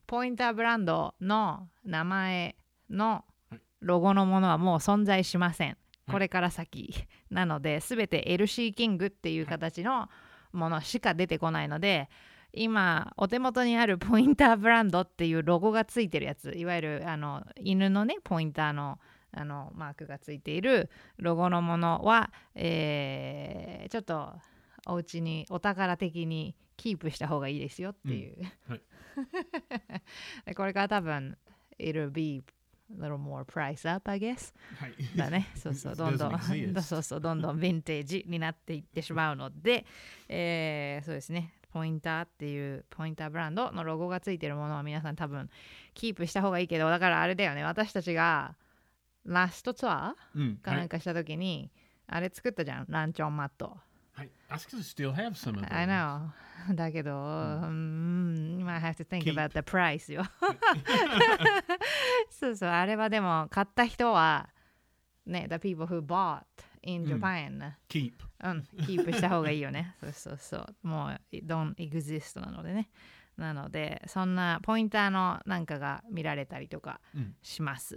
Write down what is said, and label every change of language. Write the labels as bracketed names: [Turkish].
[Japanese] ポインターブランドの名前のロゴのものはもう存在しませんこれから先、はい、なので全て LC キングっていう形のものしか出てこないので今お手元にあるポインターブランドっていうロゴがついてるやついわゆる犬のねポインターのマークがついているロゴのものは、ちょっとお家にお宝的にキープした方がいいですよっていう、うん、はいでこれから多分 [English] it'll be a little more price up, I guess. [Japanese] はい。だね。そうそう、どんどん、そうそう、どんどんヴィンテージになっていってしまうので、そうですね。ポインターっていうポインターブランドのロゴがついてるものは皆さん多分キープした方がいいけど、だからあれだよね、私たちがラストツアーかなんかした時に、はい、あれ作ったじゃん、ランチョンマット。 [English] はい、I still have some of those. I know. [Japanese] だけど、 [English] you might have to think、keep. about the price よ。 [Japanese] そうそう、あれはでも買った人はね、 [English] the people who bought in Japan、 keep、 [Japanese] keep した方がいいよね。そうそうそう、もう [English] don't exist [Japanese] なのでね。なのでそんなポインターのなんかが見られたりとかします。